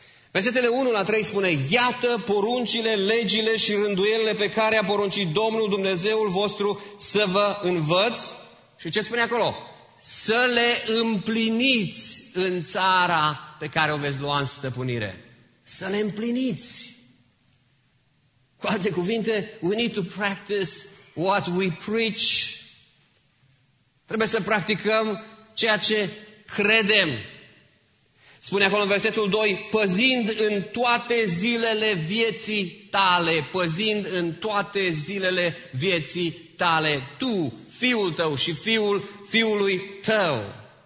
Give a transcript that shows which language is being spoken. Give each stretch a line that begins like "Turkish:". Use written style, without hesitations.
Romanian: Versetele 1 la 3 spune, iată poruncile, legile și rânduielile pe care a poruncit Domnul Dumnezeul vostru să vă învăț. Și ce spune acolo? Să le împliniți în țara pe care o veți lua în stăpânire. Să le împliniți. Cu alte cuvinte,
English: we need to practice what we preach.
Romanian: Trebuie să practicăm ceea ce credem. Spune acolo în versetul 2, păzind în toate zilele vieții tale, păzind în toate zilele vieții tale, tu, fiul tău și fiul fiului tău.